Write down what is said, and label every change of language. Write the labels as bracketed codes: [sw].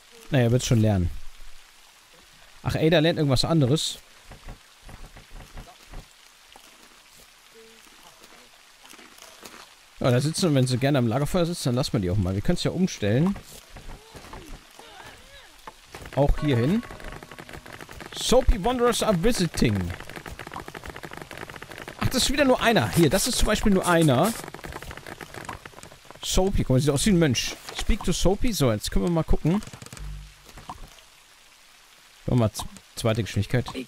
[de] Naja, wird schon lernen. Ach, Ada lernt irgendwas anderes. Ja, da sitzen, wenn sie gerne am Lagerfeuer sitzen, dann lassen wir die auch mal. Wir können es ja umstellen. Auch hier hin. [en] Soapy Wanderers are visiting. [de] Ach, das ist wieder nur einer. Hier, das ist zum Beispiel nur einer. Soapy, guck mal, sieht aus wie ein Mensch. [en] Speak to Soapy. [de] So, jetzt können wir mal gucken. Noch mal zweite Geschwindigkeit.